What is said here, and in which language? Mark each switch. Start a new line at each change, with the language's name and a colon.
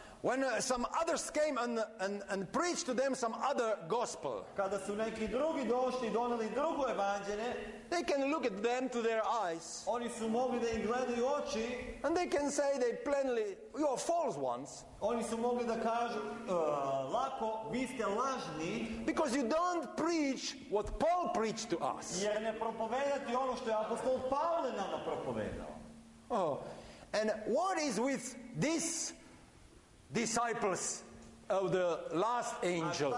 English: when some others came and preached to them some other gospel,
Serbian: kada su neki drugi došli i donali drugo evanđelje,
English: they can look at them to their eyes,
Serbian: oni su mogli da im gledaju oči,
English: and they can say they plainly, you are false ones,
Serbian: oni su mogli da kažu lako, vi ste lažni,
English: because you don't preach what Paul preached to us,
Serbian: jer ne propovedati ono što je apostol Pavle nama propovedao.
English: Oh, and what is with this disciples of the last angel?